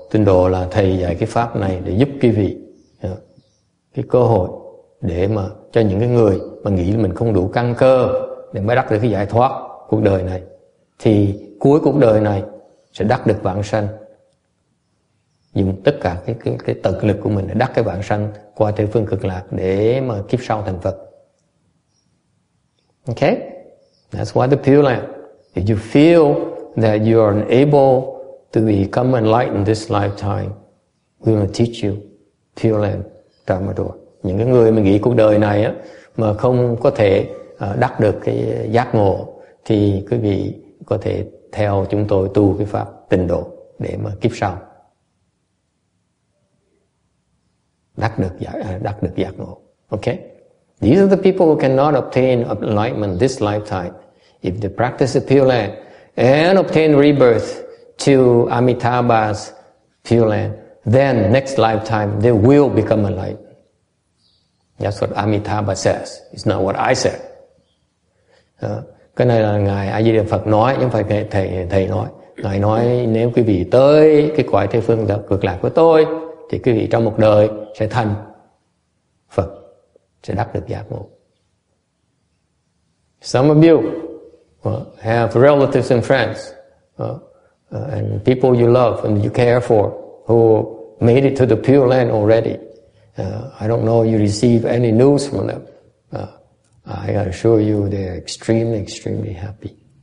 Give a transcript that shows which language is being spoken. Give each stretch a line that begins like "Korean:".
Vietnamese: Tịnh độ là thầy dạy cái pháp này để giúp quý vị cái cơ hội để mà cho những cái người mà nghĩ là mình không đủ căn cơ để mới đắc được cái giải thoát cuộc đời này, thì cuối cuộc đời này sẽ đắc được vãng sanh, dùng tất cả cái tận lực của mình để đắc cái vãng sanh qua Tây Phương Cực Lạc để mà kiếp sau thành Phật.
English: Okay, that's why the Pure Land. If you feel that you are unable to become enlightened this lifetime, we will teach you Pure Land Dharma Door.
Vietnamese: Những cái người mà nghĩ cuộc đời này á mà không có thể đắc được cái giác ngộ, thì quý vị có thể theo chúng tôi tu cái pháp tịnh độ để mà kiếp sau đắc được giác ngộ.
English: Okay. These are the people who cannot obtain enlightenment this lifetime. If they practice the Pure Land and obtain rebirth to Amitabha's Pure Land, then next lifetime they will become enlightened. That's what Amitabha says. It's not what I said.
Vietnamese: Cái này là Ngài A Di Đà Phật nói, chứ không phải thầy nói. Ngài nói nếu quý vị tới cái quả Tây Phương Cực Lạc của tôi, thì quý vị trong một đời sẽ thành Phật, sẽ đắc được giác ngộ.
English: Some of you have relatives and friends and people you love and you care for who made it to the Pure Land already. I don't know if you receive any news from them. I assure you they are extremely, extremely happy.